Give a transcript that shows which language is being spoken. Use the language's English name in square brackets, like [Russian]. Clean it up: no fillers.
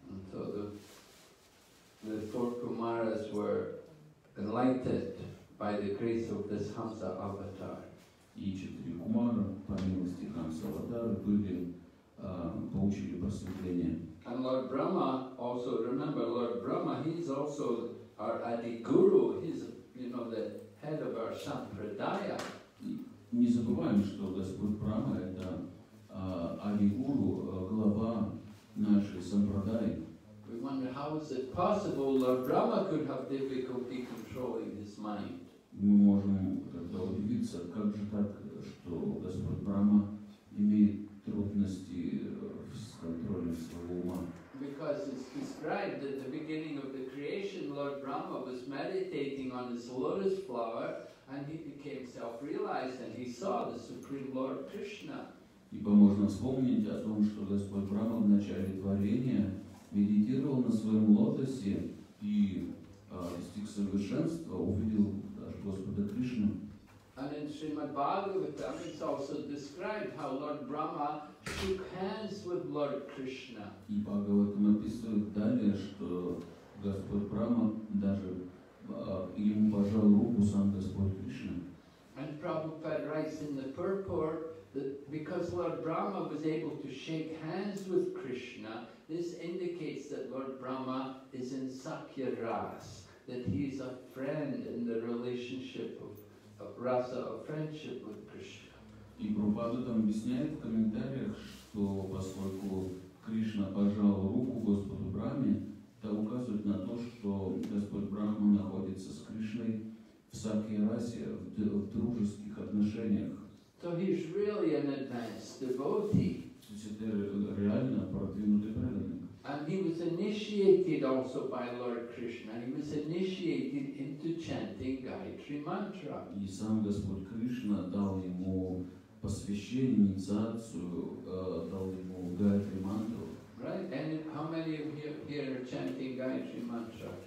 [English] So the four kumaras were enlightened by the grace of this Hamsa avatar. [Russian] И четыре кумара по милости Хамса аватара были получили просветление. [English] And Lord Brahma also, remember, Lord Brahma, he's also our Adi Guru, he's, you know, the head of our Sampradaya. [Russian] Не забываем, что Господь Брахма – это Адди Гуру, глава нашей Сампрадаи. [English] We wonder, how is it possible Lord Brahma could have difficulty controlling his mind? [Russian] Мы можем тогда удивиться, как же так, что Господь Брахма имеет трудности с контролем своего ума. [English] Because it's described at the beginning of the creation, Lord Brahma was meditating on his lotus flower, and he became self-realized, and he saw the Supreme Lord Krishna. [Russian] Ибо можно вспомнить о том, что Господь Брахма в начале творения медитировал на своем лотосе и достиг совершенства, увидел даже Господа Кришну. [English] And in Srimad Bhagavatam, it's also described how Lord Brahma shook hands with Lord Krishna. [Russian] И Бхагаватам описывает далее, что Господь Брахма даже ему пожал руку сам Господь Кришна. [English] And Prabhupada writes in the purport that because Lord Brahma was able to shake hands with Krishna, this indicates that Lord Brahma is in Sakya Ras, that he is a friend in the relationship of Rasa, of friendship with Krishna. [Russian] И Прабхупада там объясняет в комментариях, что поскольку Кришна пожал руку Господу Брахме, это указывает на то, что Господь Брахма находится с Кришной в Сакья Расе, в дружеских отношениях. [English] So he's really an advanced devotee. [Russian] То есть это реально продвинутый преданный. [English] And he was initiated also by Lord Krishna. He was initiated into chanting Gayatri Mantra. [Russian] И сам Господь Кришна дал ему посвящение, инициацию, дал ему Гайатри Мантру. [English] Right? And how many of you here are chanting Gayatri Mantra?